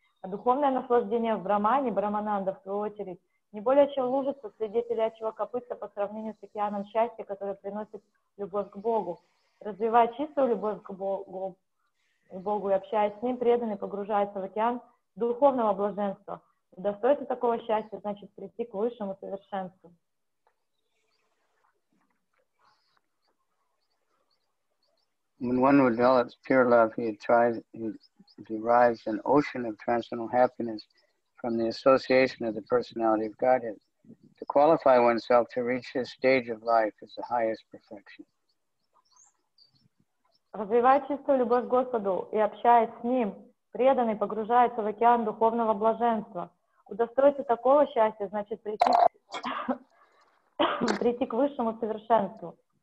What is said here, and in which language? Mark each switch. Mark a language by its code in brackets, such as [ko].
[ru] А духовное наслаждение в брамане, брамананда, в свою очередь, не более чем лужица среди телячьего копытца по сравнению с океаном счастья, который приносит любовь к Богу. Развивая чистую любовь к Богу и общаясь с Ним, преданный погружается в океан духовного блаженства. Удостоиться такого счастья значит прийти к высшему совершенству. [en] When one develops pure love, he derives an ocean of transcendental happiness from the association of the personality of Godhead. To qualify oneself to reach this stage of life is the highest perfection. [ru] Развивая чистую любовь к Господу и общаясь с Ним, преданный погружается в океан духовного блаженства. Удостоиться такого счастья значит прийти к высшему совершенству.